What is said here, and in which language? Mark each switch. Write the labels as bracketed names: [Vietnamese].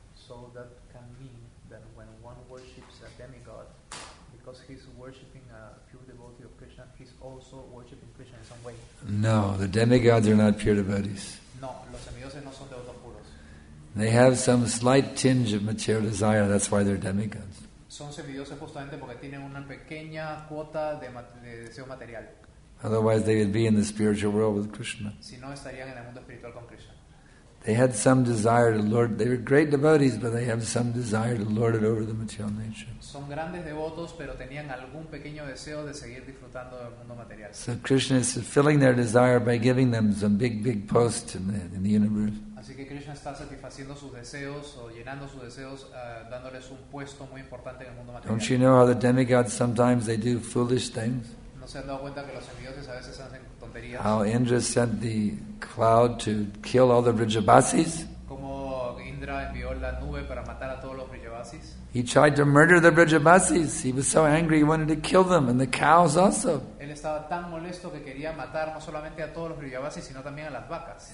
[English] So that can mean that when one worships a demigod, because he's worshipping a pure devotee of Krishna, he's also worshipping Krishna in some way. No, the demigods are not pure devotees. [Spanish] No, los semidioses no son devotos puros. [English] They have some slight tinge of material desire, that's why they're demigods. [Spanish] Son semidioses justamente porque tienen una pequeña cuota de deseo material. [English] Otherwise they would be in the spiritual world with Krishna. [Spanish] Si no, estarían en el mundo espiritual con Krishna. [English] They had some desire to lord, they were great devotees, but they have some desire to lord it over the material nature. [Spanish] Son grandes devotos, pero tenían algún pequeño deseo de seguir disfrutando del mundo material. [English] So Krishna is fulfilling their desire by giving them some big post in the universe. [Spanish] Así que Krishna está satisfaciendo sus deseos o llenando sus deseos dándoles un puesto muy importante en el mundo material. [English] Don't you know how the demigods sometimes they do foolish things? [Spanish] ¿No se han dado cuenta que los semidioses a veces hacen tonterías? [English] How Indra sent the cloud to kill all the Vrijavasis. [Spanish] Como Indra envió la nube para matar a todos los Vrijavasis. [English] He tried to murder the Vrijavasis. He was so angry he wanted to kill them and the cows also. [Spanish] Él estaba tan molesto que quería matar no solamente a todos los Vrijavasis sino también a las vacas.